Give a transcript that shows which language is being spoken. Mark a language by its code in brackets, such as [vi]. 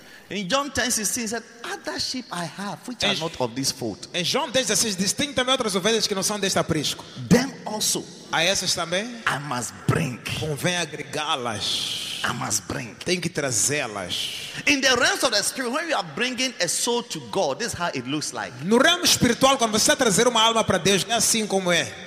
[en] In John 10:16 said, "Other sheep I have, which are not of this fold." [pt] Em João 10:16 diz, tenho também outras ovelhas que não são deste aprisco. [en] Them also, [pt] a essas também, [en] I must bring. [pt] Convém agregá-las. [en] I must bring. [pt] Tem que trazê-las. [en] In the realms of the spirit, when you are bringing a soul to God, this is how it looks like. [pt] No reino espiritual, quando você trazer uma alma para Deus, é assim como é.